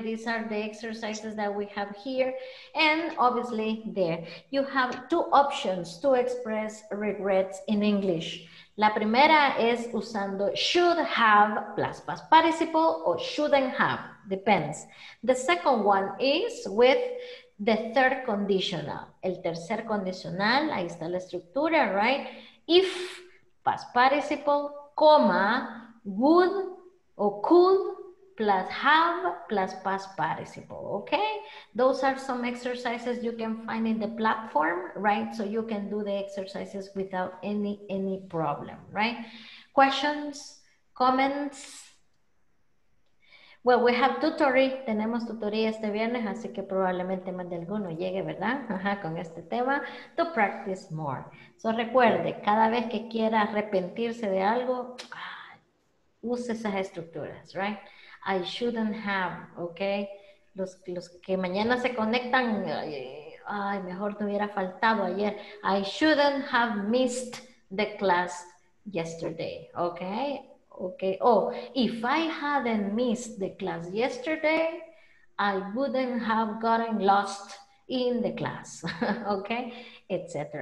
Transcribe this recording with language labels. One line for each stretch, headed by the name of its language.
English: These are the exercises that we have here. And obviously there, you have two options to express regrets in English.
Spanish: La primera es usando
English: should have plus past participle or shouldn't have. Depends. The second one is with the third conditional.
Spanish: El tercer condicional, ahí está la estructura, right?
English: If, past participle, comma, would o could plus have plus past participle, okay? Those are some exercises you can find in the platform, right? So you can do the exercises without any problem, right? Questions, comments? Well, we have tutorial.
Spanish: Tenemos tutoría este viernes, así que probablemente más de alguno llegue, ¿verdad? Ajá, con este tema.
English: To practice more.
Spanish: So recuerde, cada vez que quiera arrepentirse de algo, use esas estructuras, right?
English: I shouldn't have, okay?
Spanish: Los que mañana se conectan, ay, mejor no hubiera faltado ayer.
English: I shouldn't have missed the class yesterday, okay? Okay, oh, if I hadn't missed the class yesterday, I wouldn't have gotten lost in the class, okay, etc.